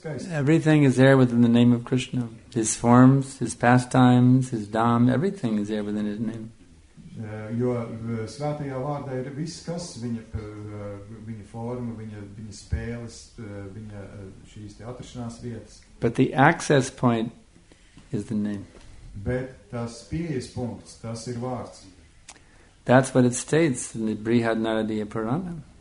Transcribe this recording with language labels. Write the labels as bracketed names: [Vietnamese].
[English] Everything is there within the name of Krishna. His forms, his pastimes, his dham, everything is there within his name. [Latvian] Jo svētajā vārdā ir viss, kas viņa forma, viņa spēles, viņa šīs te atrašanās vietas. [English] But the access point is the name. [Latvian] Bet tas pieejas punkts, tas ir vārds. [English] That's what it states in the Brihad Naradiya Purana.